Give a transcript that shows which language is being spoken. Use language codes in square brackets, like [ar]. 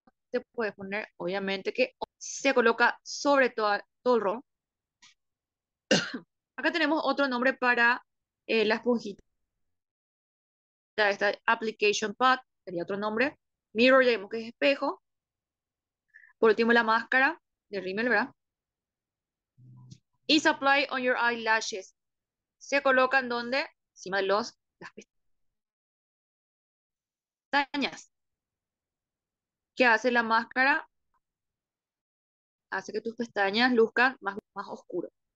[es] Se puede poner, obviamente, que se coloca sobre todo el rol. Acá tenemos otro nombre para la esponjita. Esta application pad sería otro nombre. Mirror, ya vimos que es espejo. Por último, la máscara de rímel, ¿verdad? [en] Is apply on your eyelashes. [es] Se coloca en donde, encima de las pestañas. ¿Qué hace la máscara? Hace que tus pestañas luzcan más oscuro.